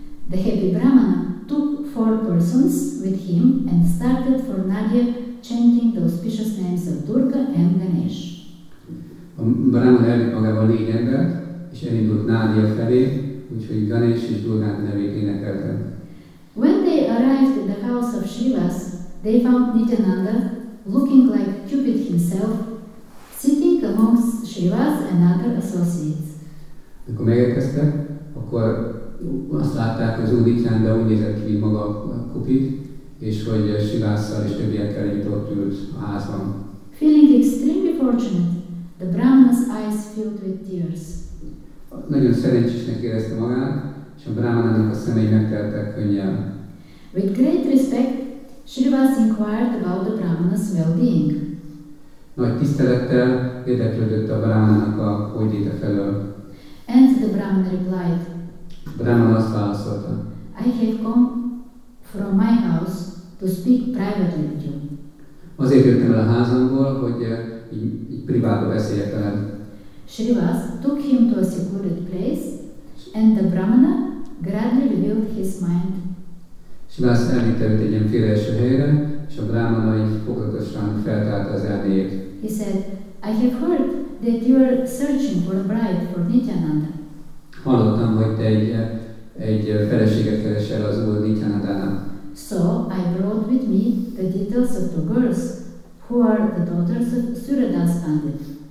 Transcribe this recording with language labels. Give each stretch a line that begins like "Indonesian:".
English: The happy brahmana took four persons with him and started for Nadia chanting the auspicious names of Durga and Ganesh.
Hungarian: A brahmana elvitt magával négy embert, és elindult Nadia felé, úgyhogy Ganesh és Durgát nevét énekelte.
English: When they arrived at the house of Shivas, they found Nityananda looking like Cupid himself, sitting amongst Shivas and other associates.
Hungarian: Amikor megérkeztek, akkor azt látták, hogy az Úr Nityananda úgy nézett ki maga a Cupid, és hogy Shivasszal és többiekkel együtt ott ült a házban.
English: Feeling extremely fortunate, the Brahmana's eyes filled with tears.
Hungarian: Nagyon szerencsésnek érezte magát, és a brahmanának a szemei megteltek könnyel.
English: With great respect, Srivas inquired about the brahmana's well-being.
Hungarian: Nagy tisztelettel érdeklődött a brahmanának a hódjéte felől.
English: And the brahmana replied.
Hungarian: Brahmana azt válaszolta.
English: I have come from my house to speak privately with you.
Hungarian: Azért jöttem el a házamból, hogy így privátban beszéljek veled.
English: Srivas took him to a secluded place, and the brahmana gradually revealed his mind.
Hungarian: Svász elvitte őt egy ilyen félre első helyre, és a brámanai fokatosan feltárta az erdélyét.
English: He said, I have heard that you are searching for a bride for Nityananda.
Hungarian: Hallottam, hogy te egy feleséget keresel az Úr Nityanandának.
English: So I brought with me the details of the girls who are the daughters of Suradas Pandit.